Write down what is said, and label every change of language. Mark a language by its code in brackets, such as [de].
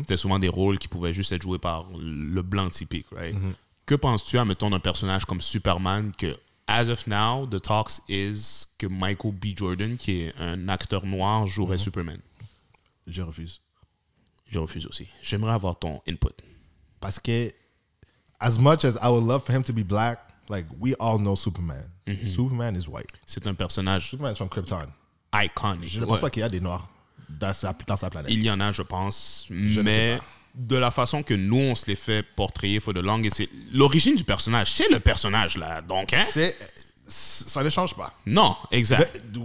[fr] C'était souvent des rôles qui pouvaient juste être joués par le blanc typique, right? Mm-hmm. Que penses-tu, admettons, d'un personnage comme Superman que, [en] as of now, the talks is [fr] que Michael B. Jordan, qui est un acteur noir, jouerait mm-hmm. Superman? Je refuse. Je refuse aussi. J'aimerais avoir ton input. Parce que, [en] as much as I would love for him to be black, like, we all know Superman. Mm-hmm. Superman is white. [fr] C'est un personnage. [en] Superman is from Krypton. Iconic. [fr] Je ne pense pas qu'il y a des noirs dans sa planète. Il y en a, je pense. Mais de la façon que nous, on se les fait portrayer, [en] for the long, [fr] et c'est l'origine du personnage. C'est le personnage, là. Donc, hein? Ça ne change pas. Non, exact.